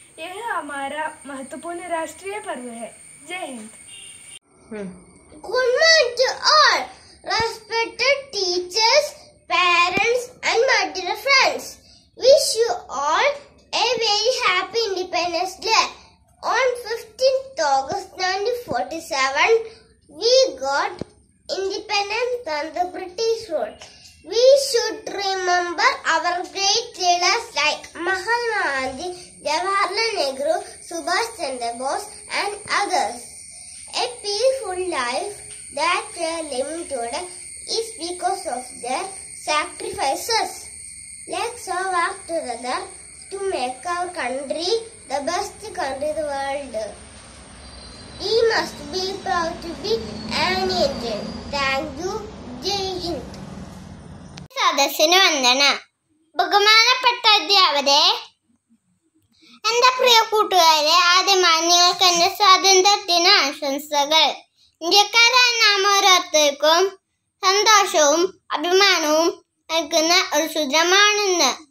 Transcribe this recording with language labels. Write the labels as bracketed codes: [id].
[hi] यह हमारा महत्वपूर्ण राष्ट्रीय पर्व है। जय Hind. [en] Good morning to all respected teachers, parents and my dear friends. Wish you all a very happy independence day. On 15th August 1947, we got independence under British rule. We should remember our great leaders like Mahatma Gandhi, Jawaharlal Nehru, Subhash Chandra Bose, and others. A peaceful life that we are living today is because of their sacrifices. Let's all work together to make our country the best country in the world. We must be proud to be an Indian. Thank you. Jai Hind. [ml] സദസ്സിന് വന്ദന. ബഹുമാനപ്പെട്ട അധ്യാപകരെ, എന്റെ പ്രിയ കൂട്ടുകാരെ, ആദ്യമായി നിങ്ങൾക്ക് എന്റെ സ്വാതന്ത്ര്യ ദിന ആശംസകൾ. ഇന്ത്യക്കാരായ നാം ഓരോരുത്തർക്കും സന്തോഷവും അഭിമാനവും നൽകുന്ന ഒരു സുദിനമാണിന്ന്.